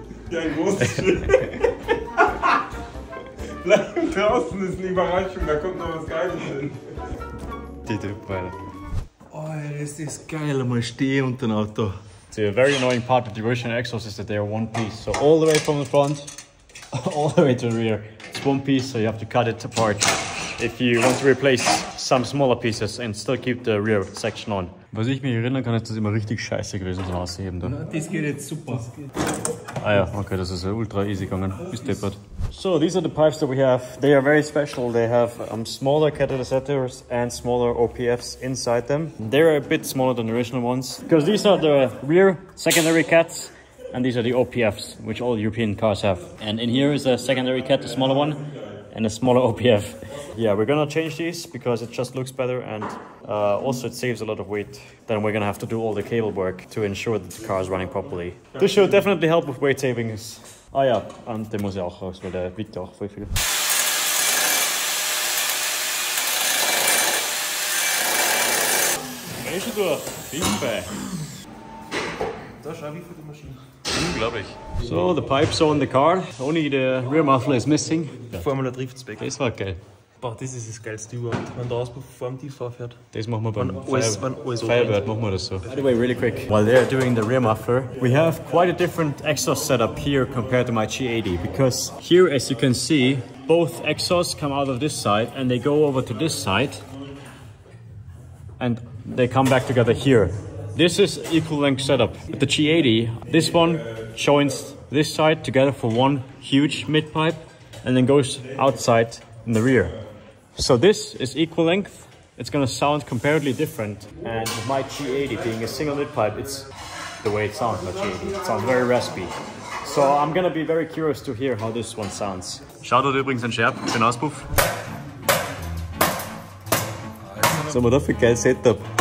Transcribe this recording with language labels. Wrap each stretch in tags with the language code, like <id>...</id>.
<de>Ja, ein großes Bleib draußen, ist eine Überraschung, da kommt noch was Geiles hin. Oh, das ist geil, mal stehen unter dem Auto.</de> <en>The very annoying part of the original exhaust is that they are one piece. So all the way from the front, all the way to the rear. It's one piece, so you have to cut it apart if you want to replace some smaller pieces and still keep the rear section on.</en> <de>Was ich mich erinnern kann, ist das immer richtig scheiße gewesen zum Ausheben. Das geht jetzt super. Ah ja, okay, das ist ultra easy gegangen. Bis deppert.</de> <en>So, these are the pipes that we have. They are very special. They have smaller catalysators and smaller OPFs inside them. They're a bit smaller than the original ones. Because these are the rear secondary cats. And these are the OPFs, which all European cars have. And in here is a secondary cat, a smaller one. And a smaller OPF. Yeah, we're gonna change these because it just looks better and also it saves a lot of weight. Then we're gonna have to do all the cable work to ensure that the car is running properly. This should definitely help with weight savings.</en> <de>Ah ja, und der muss ja auch raus, weil der wiegt auch voll viel. Mensch, du, Bimbe. Da schau, wie viel die Maschine.</de> <en>Unglaublich. So, the pipes are on the car. Only the rear muffler is missing. Formula Drift Spec.</en> <de>Das war geil. Boah, das ist das geilste überhaupt, wenn der Auspuff vor dem Tiefer fährt. Das machen wir beim Firebird, machen wir das so.</de> <en>By the way, really quick, while they're doing the rear muffler, we have quite a different exhaust setup here compared to my G80, because here, as you can see, both exhausts come out of this side and they go over to this side and they come back together here. This is equal length setup. With the G80, this one joins this side together for one huge mid pipe and then goes outside in the rear. So this is equal length. It's gonna sound comparatively different. And with my G80 being a single mid pipe, it's the way it sounds, my G80. It sounds very raspy. So I'm gonna be very curious to hear how this one sounds. Shout out</en> <de>übrigens an Scherb für den Auspuff. Was haben wir da für ein geiles Setup?</de>